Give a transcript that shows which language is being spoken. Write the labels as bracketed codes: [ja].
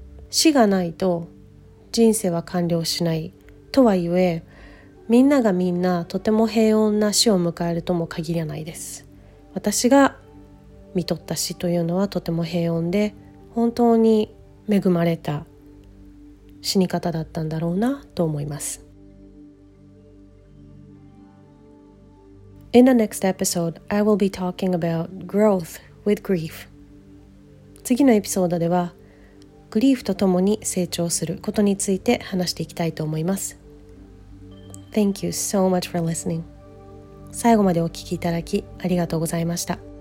[ja] 死がないと人生は完了しないとはいえ、みんながみんなとても平穏な死を迎えるとも限らないです。私が看取った死というのはとても平穏で、本当に恵まれた死に方だったんだろうなと思います。 [en] In the next episode, I will be talking about growth with grief. [ja] 次のエピソードではグリーフとともに成長することについて話していきたいと思います。 [en] Thank you so much for listening. [ja] 最後までお聞きいただきありがとうございました。